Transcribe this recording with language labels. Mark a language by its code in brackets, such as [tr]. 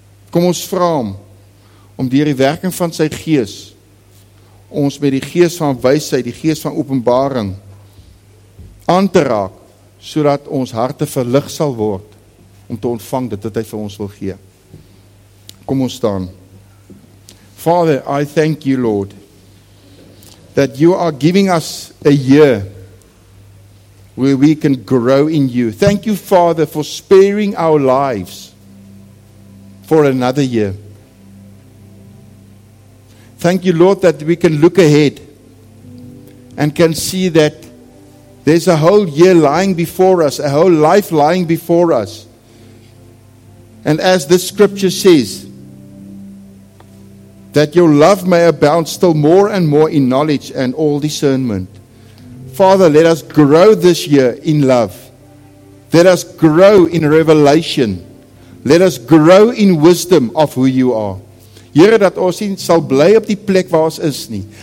[af] Kom ons vra hom, om deur die werking van sy gees, ons met die gees van wysheid, die gees van openbaring, aan te raak, sodat ons harte verlig sal word om te ontvang dit wat hy vir ons wil gee. Kom ons staan. [en] Father, I thank you, Lord, that you are giving us a year where we can grow in you. Thank you, Father, for sparing our lives for another year. Thank you, Lord, that we can look ahead and can see that there's a whole year lying before us, a whole life lying before us. And as this scripture says, that your love may abound still more and more in knowledge and all discernment. Father, let us grow this year in love. Let us grow in revelation. Let us grow in wisdom of who you are. [af] Here, dat ons nie sal bly op die plek waar ons is nie.